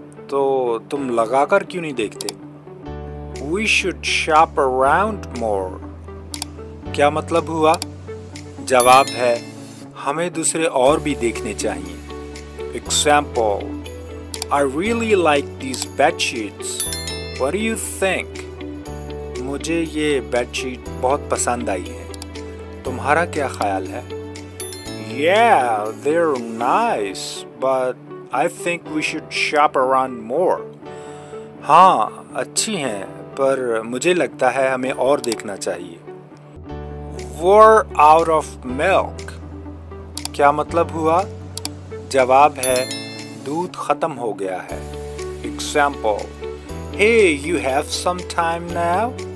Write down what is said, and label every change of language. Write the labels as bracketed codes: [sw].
[hi] तो तुम लगा कर क्यों नहीं देखते? [en] We should shop around more. [hi] क्या मतलब हुआ? जवाब है, हमें दूसरे और भी देखने चाहिए. [en] Example. I really like these bedsheets. What do you think? [hi] मुझे ये बेडशीट बहुत पसंद आई है. तुम्हारा क्या ख्याल है? [en] Yeah, they're nice, but I think we should shop around more. [hi] हाँ, अच्छी हैं. पर मुझे लगता है हमें और देखना चाहिए. [en] We're out of milk. [hi] क्या मतलब हुआ? जवाब है, दूध खत्म हो गया है. [en] Example. Hey, you have some time now?